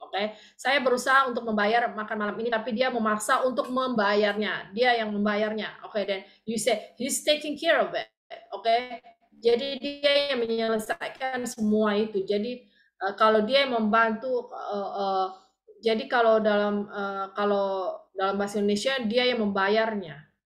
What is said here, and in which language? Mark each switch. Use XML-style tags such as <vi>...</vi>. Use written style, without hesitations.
<id>Okay, saya berusaha untuk membayar makan malam ini, tapi dia memaksa untuk membayarnya. Dia yang membayarnya.</id> <en>Okay, then you say he's taking care of it.</en> <id>Okay, jadi dia yang menyelesaikan semua itu. Jadi kalau dia yang membantu, jadi kalau dalam bahasa Indonesia dia yang membayarnya.</id>